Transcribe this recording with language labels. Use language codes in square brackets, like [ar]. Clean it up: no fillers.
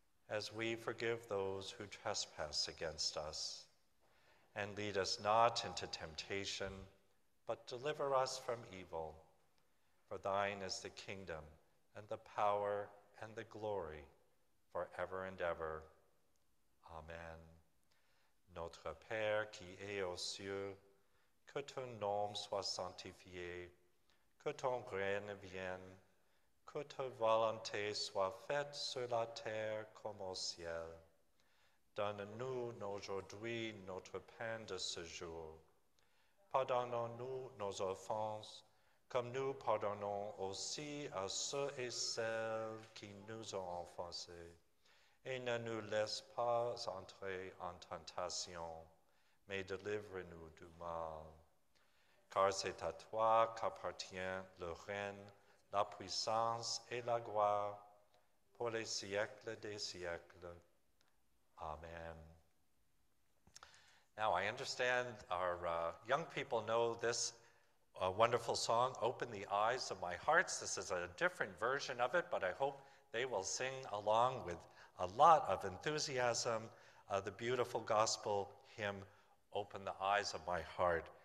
[en] as we forgive those who trespass against us. And lead us not into temptation, but deliver us from evil. For thine is the kingdom, and the power, and the glory, forever and ever. Amen. [fr] Notre Père qui es aux cieux, que ton nom soit sanctifié, que ton règne vienne, que ta volonté soit faite sur la terre comme au ciel. Donne-nous aujourd'hui notre pain de ce jour. Pardonne-nous nos offenses, comme nous pardonnons aussi à ceux et celles qui nous ont offensés. Et ne nous laisse pas entrer en tentation, mais délivre-nous du mal. Car c'est à toi qu'appartient le règne, la puissance et la gloire pour les siècles des siècles. Amen. [en] Now, I understand our young people know this wonderful song, Open the Eyes of My Hearts. This is a different version of it, but I hope they will sing along with a lot of enthusiasm the beautiful gospel hymn, Open the Eyes of My Heart.